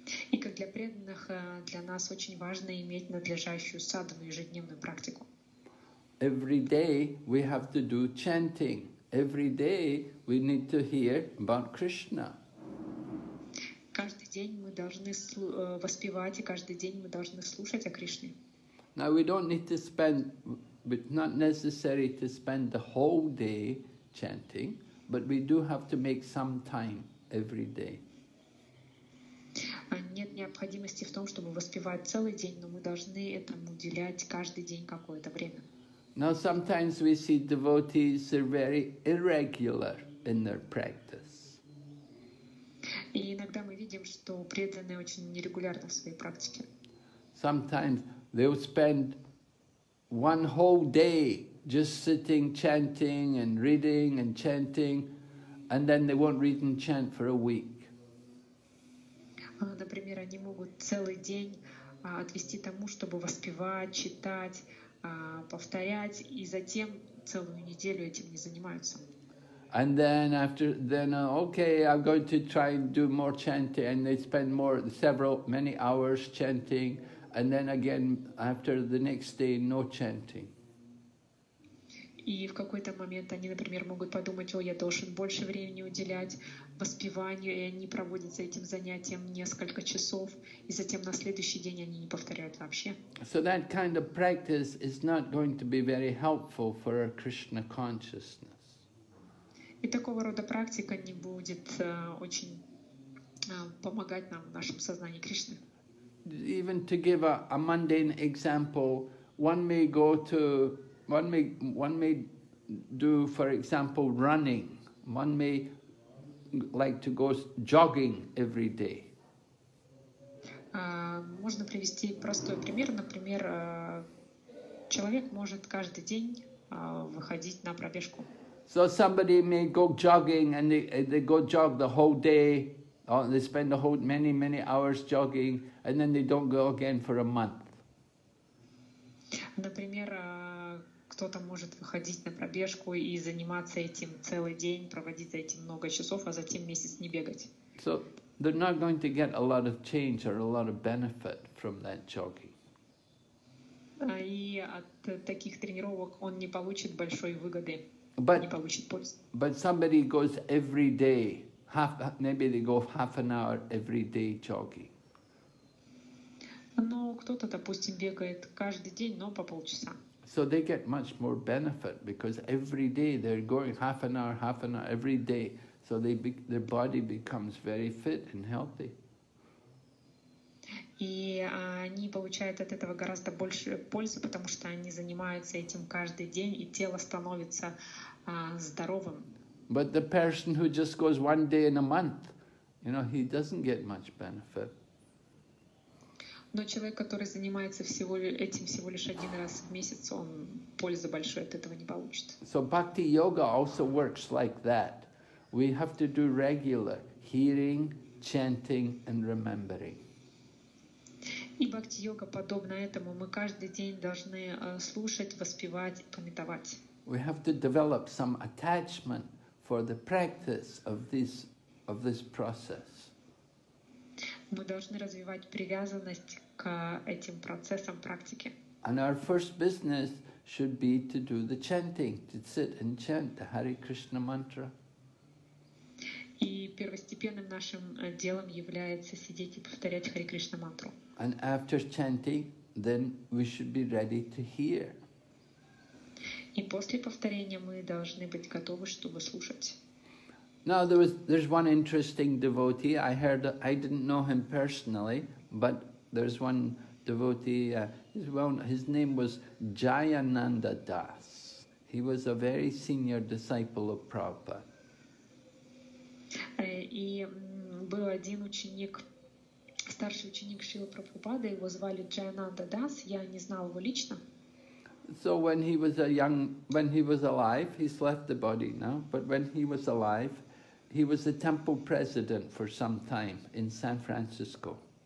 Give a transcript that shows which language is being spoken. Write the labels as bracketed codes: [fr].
[ru] И как для преданных, для нас очень важно иметь надлежащую садхану, ежедневную практику. [en] Every day we have to do chanting. Every day we need to hear about Krishna. [ru] Каждый день мы должны воспевать, и каждый день мы должны слушать о Кришне. [en] Now we don't need to spend, it's not necessary to spend the whole day chanting, but we do have to make some time every day. [ru] Нет необходимости в том, чтобы воспевать целый день, но мы должны этому уделять каждый день какое-то время. [en] Now sometimes we see devotees are very irregular in their practice. [ru] И иногда мы видим, что преданные очень нерегулярны в своей практике. [en] Sometimes they'll spend one whole day just sitting, chanting and reading and chanting, and then they won't read and chant for a week. [ru] Например, они могут целый день отвести тому, чтобы воспевать, читать, повторять, и затем целую неделю этим не занимаются. [en] And then after, then okay, I'm going to try and do more chanting, and they spend more, several, many hours chanting, and then again after the next day, no chanting. [ru] И в какой-то момент они, например, могут подумать, о, я должен больше времени уделять воспеванию, и они проводят за этим занятием несколько часов, и затем на следующий день они не повторяют вообще. [en] So that kind of practice is not going to be very helpful for our Krishna consciousness. [ru] И такого рода практика не будет очень помогать нам в нашем сознании Кришны. [en] Even to give a mundane example, one may do, for example, running. One may like to go jogging every day. [ru] Можно привести простой пример. Например, человек может каждый день выходить на пробежку. [en] So somebody may go jogging, and they go jog the whole day, or they spend the whole many hours jogging, and then they don't go again for a month. [ru] Например, кто-то может выходить на пробежку и заниматься этим целый день, проводить за этим много часов, а затем месяц не бегать. [en] So they're not going to get a lot of change or a lot of benefit from that jogging. [ru] И от таких тренировок он не получит большой выгоды. [en] But somebody goes every day, maybe they go half an hour every day jogging. [ru] Но кто-то, допустим, бегает каждый день, но по полчаса. [en] So they get much more benefit because every day they're going half an hour every day. So their body becomes very fit and healthy. [ru] И они получают от этого гораздо больше пользы, потому что они занимаются этим каждый день, и тело становится здоровым. [en] But the person who just goes one day in a month, you know, he doesn't get much benefit. [ru] Но человек, который занимается всего этим всего лишь один раз в месяц, он пользы большой от этого не получит. [en] So bhakti yoga also works like that. We have to do regular hearing, chanting and remembering. [ru] И бхакти-йога подобно этому. Мы каждый день должны слушать, воспевать, памятовать. [en] We have to develop some attachment for the practice of this process. [ru] Мы должны развивать привязанность к этим процессам практики. [en] And our first business should be to do the chanting, to sit and chant the Hare Krishna mantra. [ru] И первостепенным нашим делом является сидеть и повторять Hare Krishna mantra. [en] And after chanting, then we should be ready to hear. [ru] И после повторения мы должны быть готовы, чтобы слушать. [en] Now there's one interesting devotee. I heard, I didn't know him personally, but there's one devotee. His name was Jayananda Das. He was a very senior disciple of Prabhupada. [ru] И был один ученик, старший ученик Шрилы Прабхупады. Его звали Джаянанда Дас. Я не знал его лично. [en] So when he was alive, he's left the body now, but when he was alive, he was the temple president for some time in San Francisco.